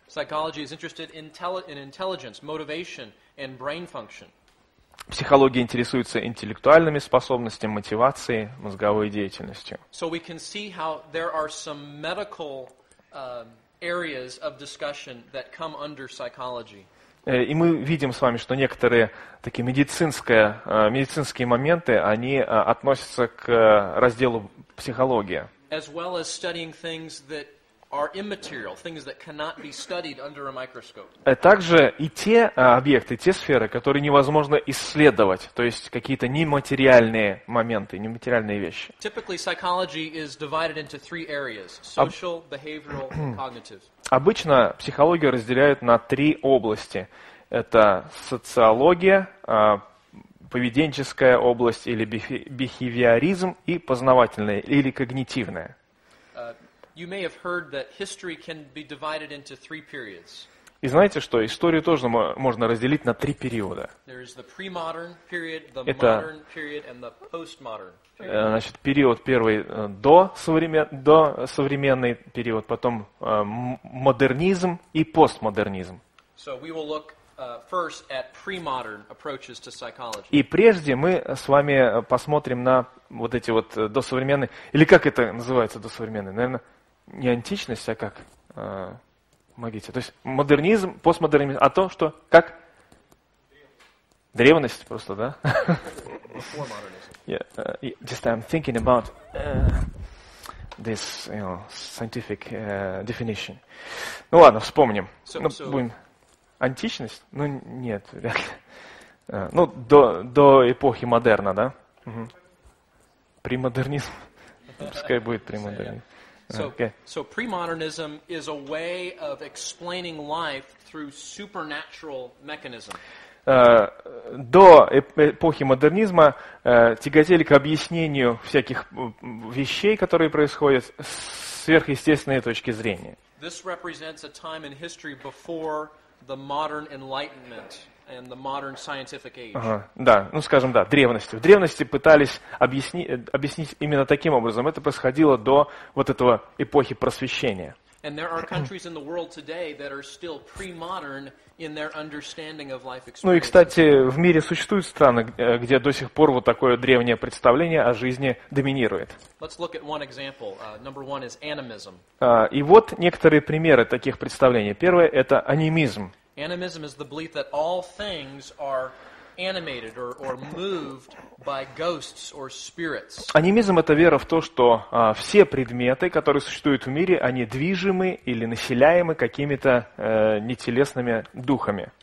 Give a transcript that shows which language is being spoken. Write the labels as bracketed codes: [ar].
[en] Psychology is interested in intelligence, motivation and brain function. [ru] Психология интересуется интеллектуальными способностями, мотивацией, мозговой деятельностью. [en] So we can see how there are some medical areas of discussion that come under psychology. [ru] И мы видим с вами, что некоторые такие медицинские моменты, они относятся к разделу психология. [en] As well as studying things that are immaterial, things that cannot be studied under a microscope. [ru] Также и те объекты, те сферы, которые невозможно исследовать, то есть какие-то нематериальные моменты, нематериальные вещи. [en] Typically psychology is divided into three areas: social, behavioral, cognitive. [ru] Обычно психологию разделяют на три области. Это социология, поведенческая область или бихевиоризм и познавательная или когнитивная. [en] You may have heard that history can be divided into three periods. [ru] И знаете, что историю тоже можно разделить на три периода. [en] There is the pre-modern period, the modern period, and the post-modern period. [ru] Значит, период первый до современный период, потом модернизм и постмодернизм. [en] So we will look first at pre-modern approaches to psychology. [ru] И прежде мы с вами посмотрим на вот эти вот досовременные, или как это называется, досовременные, наверное. Не античность, а как? Помогите. То есть модернизм, постмодернизм, а то, что как? Древность просто, да? [en] Just I'm thinking about this, you know, scientific definition. [ru] Ну ладно, вспомним. Будем. Античность? Ну нет, вряд ли. Ну, до эпохи модерна, да? Премодернизм. Пускай будет премодернизм. [en] So premodernism is a way of explaining life through supernatural mechanism. [ru] До эпохи модернизма тяготели к объяснению всяких вещей, которые происходят с сверхъестественной точки зрения. [en] This represents a time in history before the modern enlightenment and the modern scientific age. [ru] Да, ну скажем, да, древности. В древности пытались объяснить именно таким образом. Это происходило до вот этого эпохи просвещения. [en] And there are countries in the world today that are still pre-modern in their understanding of life experience. [ru] Ну и, кстати, в мире существуют страны, где до сих пор вот такое древнее представление о жизни доминирует. [en] Let's look at one example. Number one is animism. [ru] И вот некоторые примеры таких представлений. Первое – это анимизм. [en] Animism is the belief that all things are animated or moved by ghosts or spirits. [ru] Анимизм – это вера в то, что все предметы, которые существуют в мире, они движимы или населяемы какими-то нетелесными духами.